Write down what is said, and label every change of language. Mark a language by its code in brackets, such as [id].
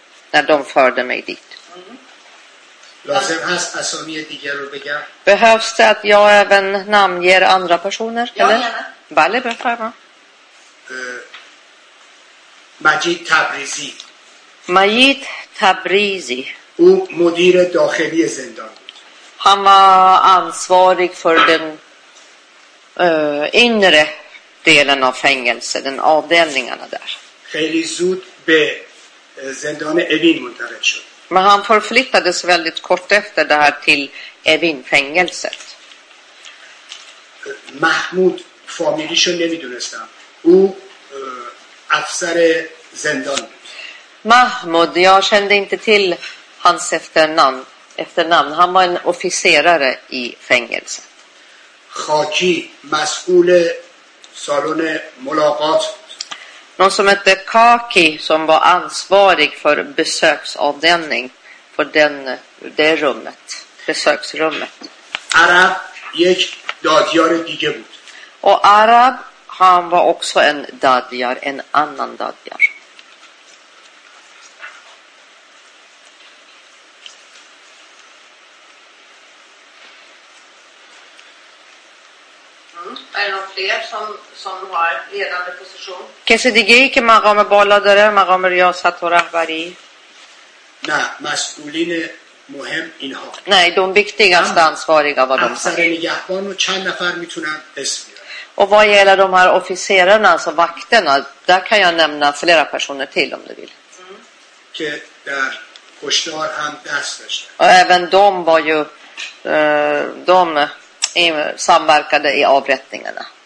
[sv] När de förde mig dit. [fa] لازم هست اسامی دیگر رو بگم؟ [sv] Behövs det att jag även namnger andra personer? Ja, eller? [fa] Bale, befarma. مجید تبریزی. مجید تبریزی. او مدیر داخلی زندان. [sv] Han var ansvarig för den inre delen av fängelse, den avdelningarna där. [fa] خیلی زود به زندان اوین منتقل شد. [sv] Men han förflyttades väldigt kort efter det här till Evin-fängelset. [fa] Mahmud familjen ne vidunestam. O afsar zindan. [sv] Mahmud, jag kände inte till hans efternamn. Efternamn, han var en officerare i fängelset. [fa] Khaki, مسئول سالن ملاقات. [sv] Någon som hette Khaki som var ansvarig för besöksavdelning på den det rummet, besöksrummet. [fa] Arab, yek dadiyar dige bud. [sv] Och Arab, han var också en dadiyar, en annan dadiyar. Är det någon fler som har ledande position? Kanske det gick i [fa] مقام بالا داره, مقام ریاست و رهبری. Nej, مسئولین مهم اینها. [sv] Nej, de viktigaste ansvariga var de. [fa] افسر نگهبان و چند نفر میتونن اسم بیارن. [sv] Och vad gäller de här officerarna, alltså vakterna, där kan jag nämna flera personer till om du vill. [fa] که در کشتار هم دست داشتن. [sv] Och även de var ju de samverkade i avrättningarna.